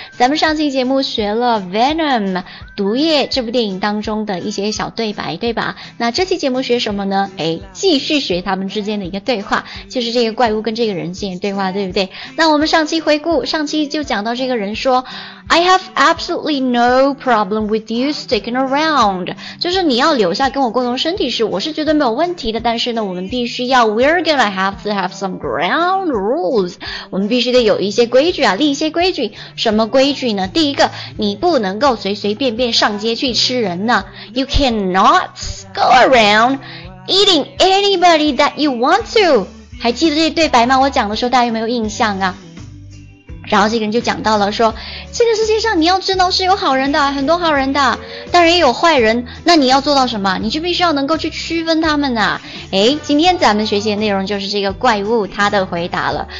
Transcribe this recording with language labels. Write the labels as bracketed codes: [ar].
[zh] 咱们上期节目学了 Venom 毒液这部电影当中的一些小对白，对吧？那这期节目学什么呢？诶，继续学他们之间的一个对话，就是这个怪物跟这个人之间的对话，对不对？那我们上期回顾，上期就讲到这个人说 [en] I have absolutely no problem with you sticking around. [zh] 就是你要留下跟我共同身体是我是觉得没有问题的，但是呢我们必须要 [en] We're gonna have to have some ground rules. [zh] 我们必须得有一些规矩啊，立一些规矩。什么规矩呢？第一个，你不能够随随便便上街去吃人呢。 [en] You cannot go around eating anybody that you want to. [zh] 还记得这对白吗？我讲的时候大家有没有印象啊？然后这个人就讲到了说，这个世界上你要知道是有好人的，很多好人的，当然也有坏人，那你要做到什么？你就必须要能够去区分他们啊。诶，今天咱们学习的内容就是这个怪物他的回答了。